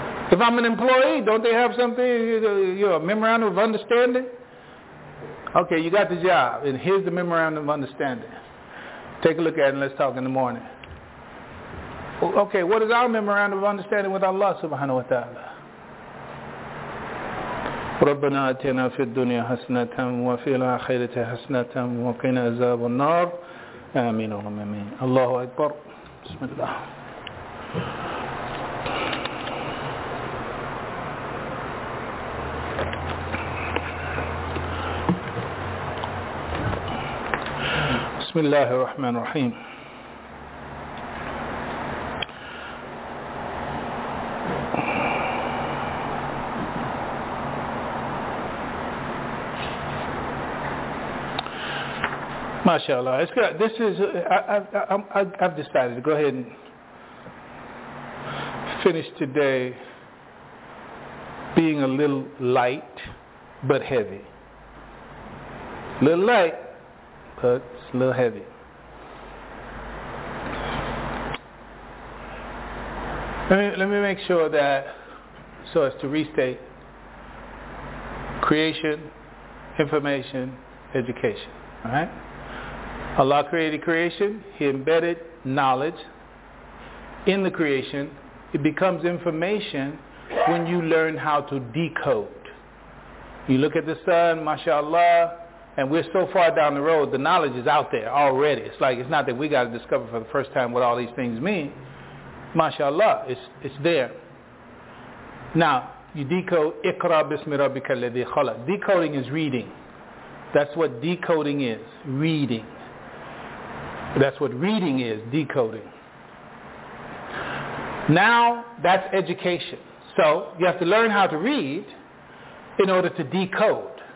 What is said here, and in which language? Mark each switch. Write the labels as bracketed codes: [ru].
[en] If I'm an employee, don't they have something, a memorandum of understanding? Okay, you got the job, and here's the memorandum of understanding. Take a look at it, and let's talk in the morning. Okay, what is our memorandum of understanding with Allah subhanahu wa ta'ala? [ar] رَبَّنَا أَتِنَا فِي الدُّنْيَا حَسْنَةً وَفِي الْآخِرَةِ حَسْنَةً وَقِنَا عَذَابَ النَّارِ آمين اللهم آمين الله أكبر بسم الله بسم الله الرحمن الرحيم [en] MashaAllah, it's good. This is, I've decided to go ahead and finish today being a little light but heavy. A little light, but it's a little heavy. Let me make sure that, so as to restate, creation, information, education, all right? Allah created creation, he embedded knowledge in the creation. It becomes information when you learn how to decode. You look at the sun, mashallah, and we're so far down the road, the knowledge is out there already. It's like, it's not that we got to discover for the first time what all these things mean. Mashallah, it's there. Now, you decode, [ar] اِقْرَى بِسْمِ رَبِّكَ الَّذِي خَلَى. [en] Decoding is reading. That's what decoding is, reading. That's what reading is, decoding. Now, that's education. So, you have to learn how to read in order to decode.